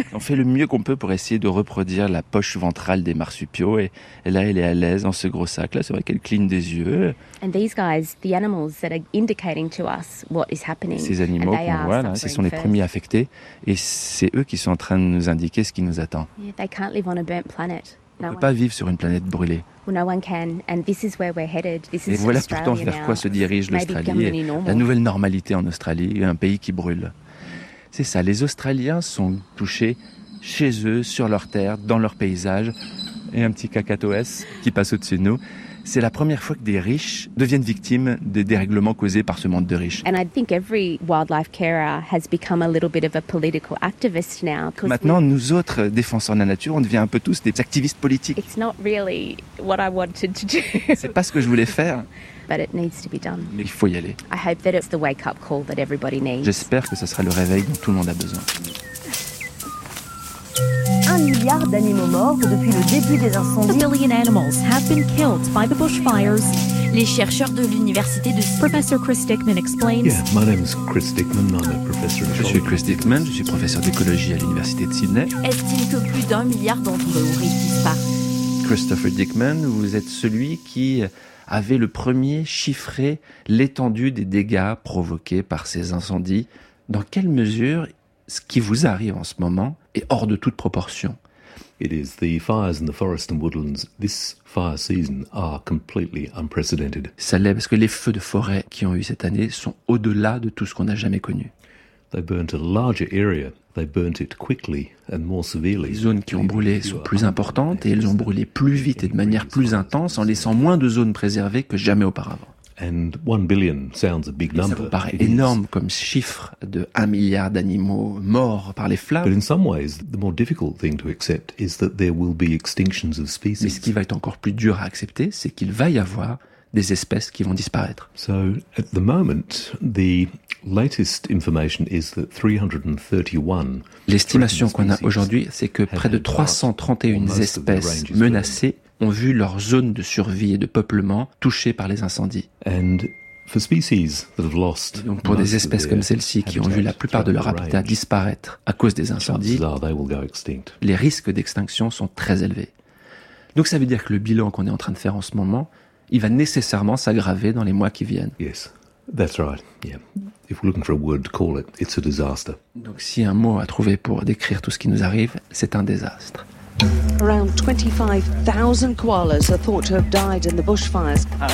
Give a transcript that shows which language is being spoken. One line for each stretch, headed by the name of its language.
French: On fait le mieux qu'on peut pour essayer de reproduire la poche ventrale des marsupiaux et là, elle est à l'aise dans ce gros sac là, c'est vrai qu'elle cligne des yeux.
English: And these guys, the animals that are indicating to us what is happening.
French: Ces animaux qu'on voit là, ce sont les premiers affectés et c'est eux qui sont en train de nous indiquer ce qui nous attend.
English: Yeah, they can't live on a burnt planet.
French: On ne peut pas vivre sur une planète brûlée. Et voilà pourtant vers quoi se dirige l'Australie, la nouvelle normalité en Australie, un pays qui brûle. C'est ça, les Australiens sont touchés chez eux, sur leur terre, dans leur paysage. Et un petit cacatoès qui passe au-dessus de nous. C'est la première fois que des riches deviennent victimes des dérèglements causés par ce monde de riches.
English: And I think every wildlife carer has become a little bit of a political activist now.
French: Maintenant, nous autres défenseurs de la nature, on devient un peu tous des activistes politiques.
English: It's not really what I wanted to do.
French: C'est pas ce que je voulais faire.
English: But it needs to be done.
French: Mais il faut y aller.
English: I hope that it's the wake-up call that everybody needs.
French: J'espère que ce sera le réveil dont tout le monde a besoin. 1 milliard d'animaux morts depuis le début des incendies.
English: A billion animals have been killed by the bushfires.
French: Les chercheurs de l'université de
English: Professor Chris Dickman explains. Yeah, my name is Chris Dickman. I'm a professor.
French: Je suis Chris Dickman. Je suis professeur d'écologie à l'université de Sydney. Estime que plus d'un milliard d'entre eux auraient disparu. Christopher Dickman, vous êtes celui qui avait le premier chiffré l'étendue des dégâts provoqués par ces incendies. Dans quelle mesure ce qui vous arrive en ce moment est hors de toute proportion?
English: It is the fires in the forest and woodlands this fire season are completely unprecedented.
French: Ça l'est parce que les feux de forêt qui ont eu cette année sont au-delà de tout ce qu'on a jamais connu.
English: They burnt a larger area. They burnt it quickly and more severely.
French: Les zones qui ont brûlé sont plus importantes et elles ont brûlé plus vite et de manière plus intense en laissant moins de zones préservées que jamais auparavant.
English: And 1 billion sounds a big number.
French: Ça vous paraît énorme comme chiffre de 1 milliard d'animaux morts par les flammes.
English: But in some ways, the more difficult thing to accept is that there will be extinctions of species.
French: Mais ce qui va être encore plus dur à accepter, c'est qu'il va y avoir des espèces qui vont disparaître.
English: So at the moment, the latest information is that 331.
French: L'estimation qu'on a aujourd'hui, c'est que près de 331 espèces menacées ont vu leur zone de survie et de peuplement touchée par les incendies.
English: And for species that have lost,
French: donc pour des espèces comme celle-ci qui ont vu la plupart de leur habitat disparaître à cause des incendies, les risques d'extinction sont très élevés. Donc ça veut dire que le bilan qu'on est en train de faire en ce moment, il va nécessairement s'aggraver dans les mois qui viennent.
English: Yes, that's right. Yeah. If we're looking for a word to call it, it's a disaster.
French: Donc si un mot à trouver pour décrire tout ce qui nous arrive, c'est un désastre.
English: Around 25,000 koalas are thought to have died in the bushfires.